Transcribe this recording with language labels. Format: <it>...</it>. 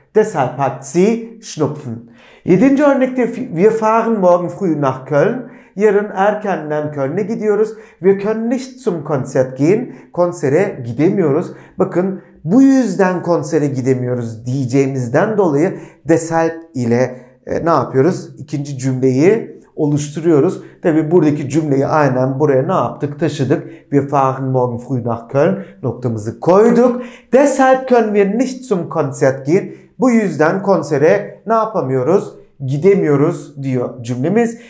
<de>Deshalb hat sie Schnupfen.</de> <tr>Yedinci örnekte</tr> <de>wir fahren morgen früh nach Köln.</de> <tr>Yarın erkenden Köln'e gidiyoruz.</tr> <de>Wir können nicht zum Konzert gehen.</de> <tr>Konsere gidemiyoruz. Bakın bu yüzden konsere gidemiyoruz diyeceğimizden dolayı deshalb ile ne yapıyoruz? İkinci cümleyi oluşturuyoruz. Tabi buradaki cümleyi aynen buraya ne yaptık? Taşıdık.</tr> <de>Wir fahren morgen früh nach Köln</de> <tr>noktamızı koyduk.</tr> <de>Deshalb können wir nicht zum Konzert gehen.</de> <tr>Bu yüzden konsere ne yapamıyoruz? Gidemiyoruz diyor cümlemiz.</tr>